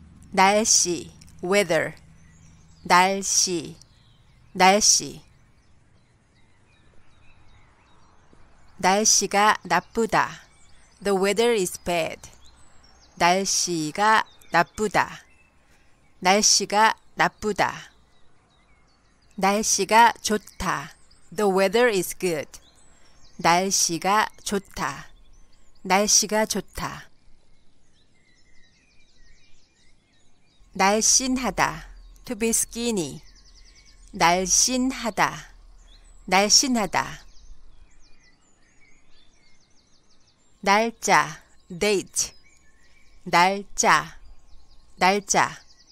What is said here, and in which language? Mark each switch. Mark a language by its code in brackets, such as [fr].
[ko] 날씨, weather. 날씨, 날씨. 날씨가 나쁘다, [en] the weather is bad. [ko] 날씨가 나쁘다, 날씨가 나쁘다. 날씨가 좋다, [en] the weather is good. [ko] 날씨가 좋다, 날씨가 좋다. [en] 날씬하다, to be skinny. [ko] 날씬하다, 날씬하다. 날짜, date. 날짜, 날짜.